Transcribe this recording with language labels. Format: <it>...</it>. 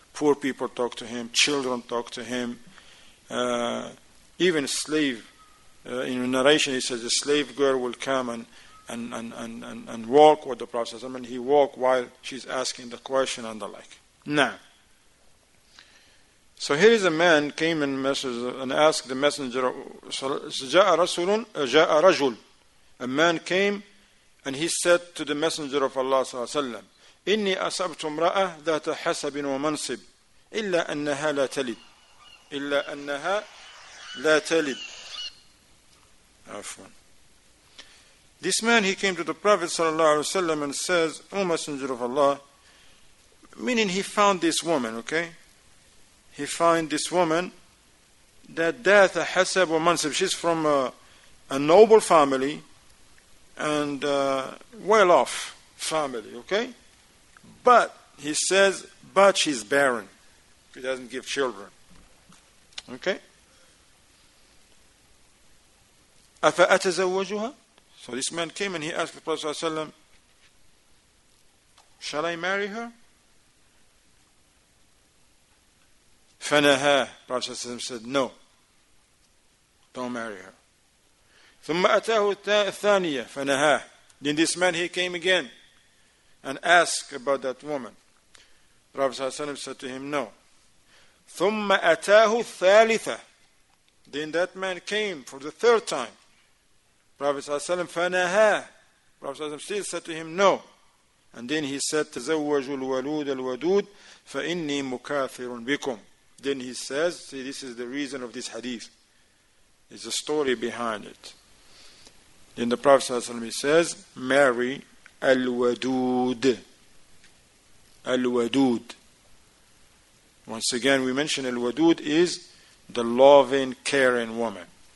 <en>Poor people talk to him. Children talk to him. Even a slave, in a narration he says, a slave girl will come and walk with the Prophet ﷺ, and he walk while she's asking the question and the like. Nah. So here is a man came and asked the Messenger.</en> <ar>جَاءَ رَجُلٌ</ar> <en>A man came and he said to the Messenger of Allah</en> <ar>صلى الله عليه وسلم, إِنِّي أَصَبْتُ امْرَأَةَ ذَاتَ حَسَبٍ وَمَنْصِبٍ إِلَّا أَنَّهَا لَا تَلِدْ إِلَّا أَنَّهَا لَا تَلِدْ عفواً.</ar> <en>This man, he came to the Prophet صلى الله عليه وسلم and says, O Messenger of Allah, meaning he found this woman, okay? He find this woman that</en> <ar>Datha Hasab wa Mansab,</ar> <en>she's from a noble family, and well-off family, okay? But, he says, but she's barren. She doesn't give children. Okay?</en> <ar>أَفَأَتَزَوَّجُهَا?</ar> <en>So this man came and he asked the Prophet ﷺ, shall I marry her?</en> <ar>فَنَهَا,</ar> <en>Prophet ﷺ said, no. Don't marry her.</en> <ar>ثُمَّ أَتَاهُ الثَّانِيَ فَنَهَا.</ar> <en>Then this man, he came again and asked about that woman. Prophet ﷺ said to him, no.</en> <ar>ثُمَّ أَتَاهُ الثَّالِثَ.</ar> <en>Then that man came for the third time. Prophet ﷺ,</en> <ar>فَنَهَا.</ar> <en>Prophet ﷺ still said to him, no. And then he said,</en> <ar>تَزَوَّجُ الْوَلُودَ الْوَدُودَ فَإِنِّي مُكَافِرٌ بِكُمْ.</ar> <en>Then he says, see, this is the reason of this hadith. There's a story behind it. Then the Prophet ﷺ, he says, marry al-wadud. Al-wadud. Once again, we mention al-wadud is the loving, caring woman.</en>